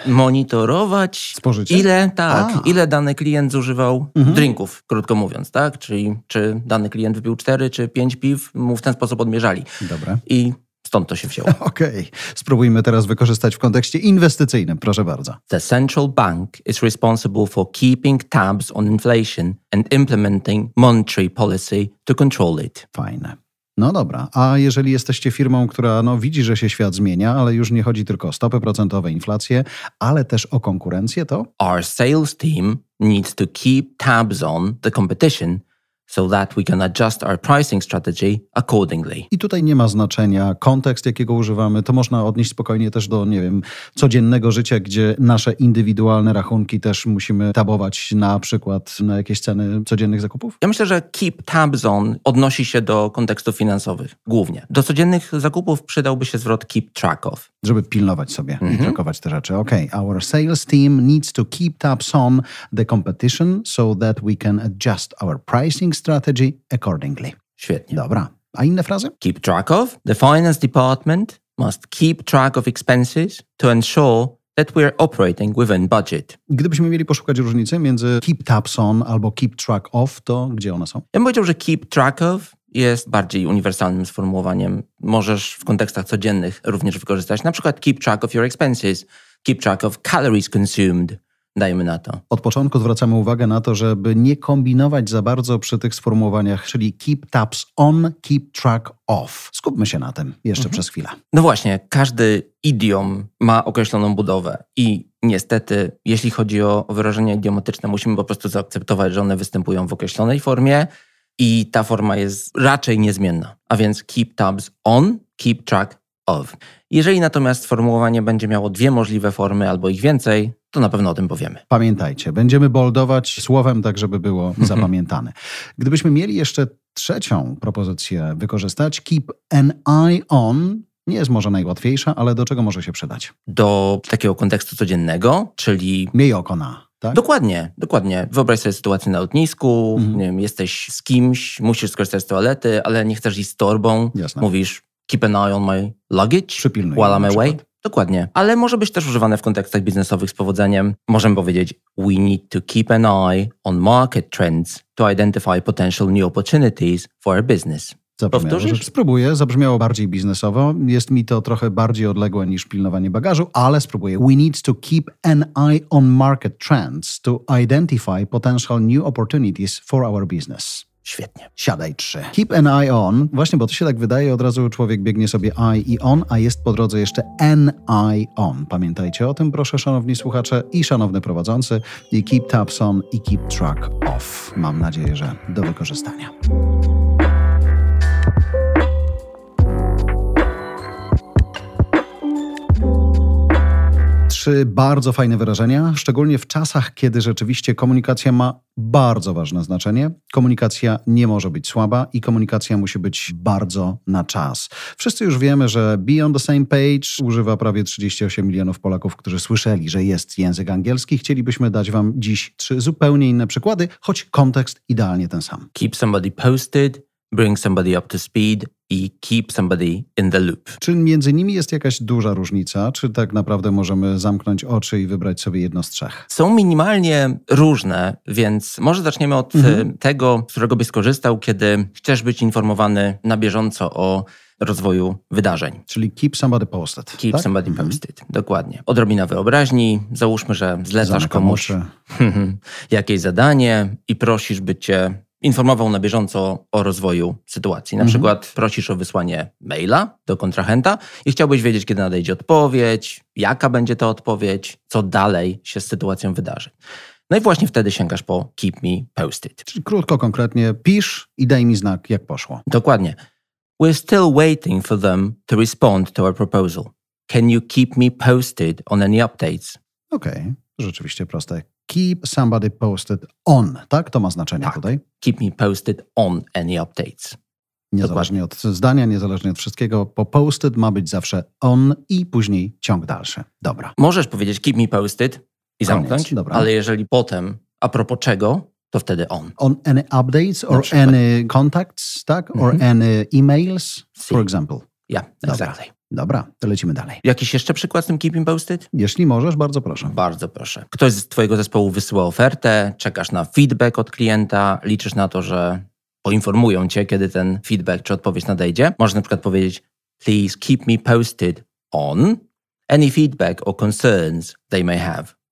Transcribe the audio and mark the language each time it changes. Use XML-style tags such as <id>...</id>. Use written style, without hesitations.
<pl>Monitorować... Spożycie? Ile dany klient zużywał drinków, krótko mówiąc, tak? Czyli czy dany klient wypił 4 czy 5 piw, mu w ten sposób odmierzali. Dobra. I stąd to się wzięło. Okej. Spróbujmy teraz wykorzystać w kontekście inwestycyjnym. Proszę bardzo.</pl> <en>The central bank is responsible for keeping tabs on inflation and implementing monetary policy to control it.</en> <pl>Fajne. No dobra, a jeżeli jesteście firmą, która widzi, że się świat zmienia, ale już nie chodzi tylko o stopy procentowe, inflację, ale też o konkurencję, to...</pl> <en>Our sales team needs to keep tabs on the competition so that we can adjust our pricing strategy accordingly.</en> <pl>I tutaj nie ma znaczenia kontekst, jakiego używamy. To można odnieść spokojnie też do, nie wiem, codziennego życia, gdzie nasze indywidualne rachunki też musimy tabować na przykład na jakieś ceny codziennych zakupów. Ja myślę, że keep tabs on odnosi się do kontekstów finansowych głównie. Do codziennych zakupów przydałby się zwrot keep track of. Żeby pilnować sobie i trakować te rzeczy. Okay.</pl> <en>Our sales team needs to keep tabs on the competition so that we can adjust our pricing strategy accordingly.</en> <pl>Świetnie. Dobra. A inne frazy?</pl> <en>Keep track of. The finance department must keep track of expenses to ensure that we're operating within budget.</en> <pl>Gdybyśmy mieli poszukać różnicy między keep tabs on albo keep track of, to gdzie one są? Ja bym powiedział, że keep track of jest bardziej uniwersalnym sformułowaniem. Możesz w kontekstach codziennych również wykorzystać. Na przykład</pl> <en>keep track of your expenses, keep track of calories consumed.</en> <pl>Dajmy na to. Od początku zwracamy uwagę na to, żeby nie kombinować za bardzo przy tych sformułowaniach, czyli keep tabs on, keep track of. Skupmy się na tym jeszcze przez chwilę. No właśnie, każdy idiom ma określoną budowę i niestety, jeśli chodzi o wyrażenia idiomatyczne, musimy po prostu zaakceptować, że one występują w określonej formie i ta forma jest raczej niezmienna. A więc keep tabs on, keep track of. Jeżeli natomiast sformułowanie będzie miało dwie możliwe formy albo ich więcej, to na pewno o tym powiemy. Pamiętajcie, będziemy boldować słowem tak, żeby było zapamiętane. Gdybyśmy mieli jeszcze trzecią propozycję wykorzystać, keep an eye on nie jest może najłatwiejsza, ale do czego może się przydać? Do takiego kontekstu codziennego, czyli... Miej oko na, tak? Dokładnie, dokładnie. Wyobraź sobie sytuację na lotnisku, nie wiem, jesteś z kimś, musisz skorzystać z toalety, ale nie chcesz iść z torbą. Jasne. Mówisz,</pl> <en>keep an eye on my luggage</en> <pl>przypilnuj</pl> <en>while I'm away.</en> <pl>Dokładnie, ale może być też używane w kontekstach biznesowych z powodzeniem. Możemy powiedzieć,</pl> <en>we need to keep an eye on market trends to identify potential new opportunities for our business.</en> <pl>Powtórzysz? Spróbuję, zabrzmiało bardziej biznesowo. Jest mi to trochę bardziej odległe niż pilnowanie bagażu, ale spróbuję.</pl> <en>We need to keep an eye on market trends to identify potential new opportunities for our business.</en> <pl>świetnie. Siadaj trzy.</pl> <en>Keep an eye on.</en> <pl>Właśnie, bo to się tak wydaje, od razu człowiek biegnie sobie eye i on, a jest po drodze jeszcze an eye on. Pamiętajcie o tym, proszę, szanowni słuchacze i szanowny prowadzący. I keep tabs on i keep track off. Mam nadzieję, że do wykorzystania. Trzy bardzo fajne wyrażenia, szczególnie w czasach, kiedy rzeczywiście komunikacja ma bardzo ważne znaczenie. Komunikacja nie może być słaba i komunikacja musi być bardzo na czas. Wszyscy już wiemy, że be on the same page używa prawie 38 milionów Polaków, którzy słyszeli, że jest język angielski. Chcielibyśmy dać wam dziś trzy zupełnie inne przykłady, choć kontekst idealnie ten sam.</pl> <en>Keep somebody posted, bring somebody up to speed i keep somebody in the loop.</en> <pl>Czy między nimi jest jakaś duża różnica? Czy tak naprawdę możemy zamknąć oczy i wybrać sobie jedno z trzech? Są minimalnie różne, więc może zaczniemy od tego, z którego byś skorzystał, kiedy chcesz być informowany na bieżąco o rozwoju wydarzeń. Czyli</pl> <en>keep somebody posted. Keep</en> <pl>tak? somebody posted, dokładnie. Odrobina wyobraźni, załóżmy, że zlecasz komuś jakieś zadanie i prosisz, by cię informował na bieżąco o rozwoju sytuacji. Na przykład prosisz o wysłanie maila do kontrahenta i chciałbyś wiedzieć, kiedy nadejdzie odpowiedź, jaka będzie ta odpowiedź, co dalej się z sytuacją wydarzy. No i właśnie wtedy sięgasz po keep me posted. Czyli krótko, konkretnie, pisz i daj mi znak, jak poszło. Dokładnie.</pl> <en>We're still waiting for them to respond to our proposal. Can you keep me posted on any updates?</en> <pl>Okej, okay. Rzeczywiście proste. Keep somebody posted on, tak? To ma znaczenie tak. tutaj.</pl> <en>Keep me posted on any updates.</en> <pl>Niezależnie Dokładnie. Od zdania, niezależnie od wszystkiego, po posted ma być zawsze on i później ciąg dalszy. Dobra. Możesz powiedzieć keep me posted i zamknąć, Dobra. Ale jeżeli potem, a propos czego, to wtedy on.</pl> <en>On any updates or any contacts,</en> <pl>tak?</pl> <en>Or any emails, for example. Yeah, exactly.</en> <pl>Dobra, to lecimy dalej. Jakiś jeszcze przykład z tym keeping posted? Jeśli możesz, bardzo proszę. Bardzo proszę. Ktoś z twojego zespołu wysyła ofertę, czekasz na feedback od klienta, liczysz na to, że poinformują cię, kiedy ten feedback czy odpowiedź nadejdzie. Możesz na przykład powiedzieć,</pl> <en>please keep me posted on any feedback or concerns they may have.</en>